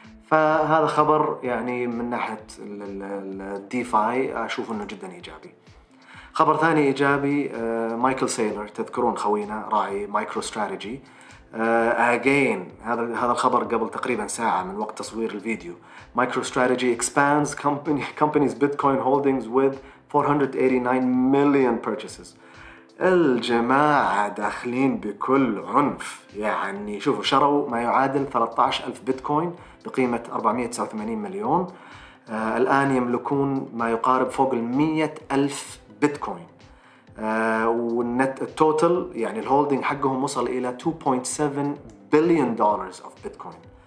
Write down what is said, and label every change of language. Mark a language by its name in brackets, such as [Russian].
[Arabic] فهذا خبر يعني من ناحية الديفاي أشوف أنه جدا إيجابي. خبر ثاني إيجابي، مايكل سيلر، تذكرون خوينا راعي مايكرو ستراتيجي، again هذا الخبر قبل تقريبا ساعة من وقت تصوير الفيديو. [English] MicroStrategy expands company's bitcoin holdings with 489 million purchases. [Arabic] الجماعة داخلين بكل عنف، يعني شوفوا شروا ما يعادل 13,000 بيتكوين بقيمة 489 مليون، الآن يملكون ما يقارب فوق 100,000 بيتكوين، والنت التوتل يعني الهولدينج حقهم وصل إلى 2.7 بليون دولار of بيتكوين.